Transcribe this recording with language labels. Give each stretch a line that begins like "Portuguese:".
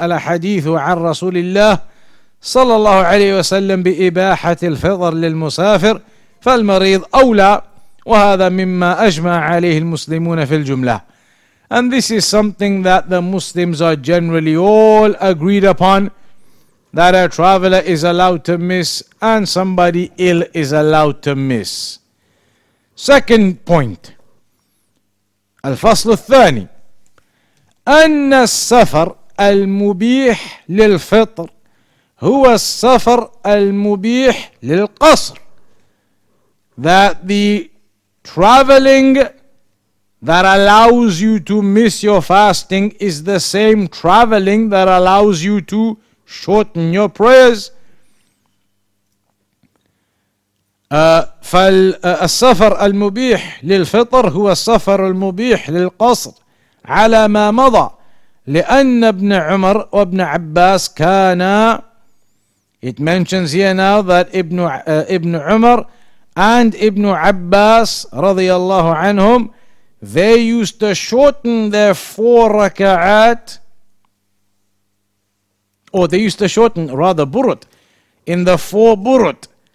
Arabic: الأحاديث عن رسول الله صلى الله عليه وسلم بإباحة الفطر للمسافر فالمريض أولى وهذا مما أجمع عليه المسلمون في الجملة.
English: And this is something that the Muslims are generally all agreed upon, that a traveler is allowed to miss and somebody ill is allowed to miss. Second point. Al-Fasl al-Thani.
Arabic: أن السفر المبيح للفطر هو السفر المبيح للقصر.
English: That the traveling that allows you to miss your fasting is the same traveling that allows you to shorten your prayers.
Arabic: فالسفر المبيح للفطر هو السفر المبيح للقصر على ما مضى لأن ابن عمر وابن عباس كانا.
English: It mentions here now that Ibn Umar and Ibn Abbas
Arabic: رضي الله عنهم,
English: they used to shorten their four raka'at, or they used to shorten rather burut, in the four burut.